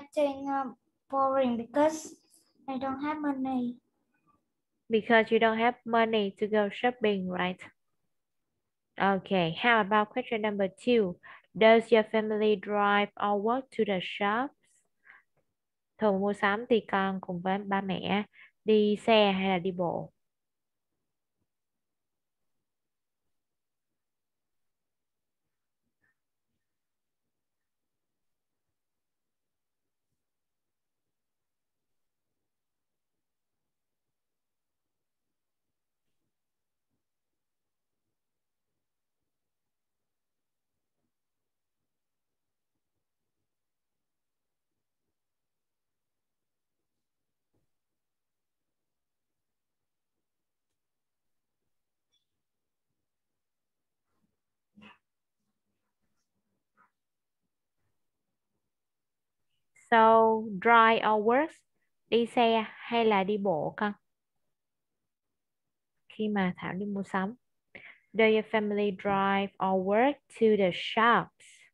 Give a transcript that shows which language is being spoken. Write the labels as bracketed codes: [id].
[en] I think boring because I don't have money. Because you don't have money to go shopping, right? Okay. How about question number 2? Does your family drive or walk to the shops? [vi] Thường mua sắm thì con cùng với ba mẹ đi xe hay là đi bộ? [en] So, drive or work, [vi] đi xe hay là đi bộ con? Khi mà Thảo đi mua sắm. [en] Do your family drive or work to the shops?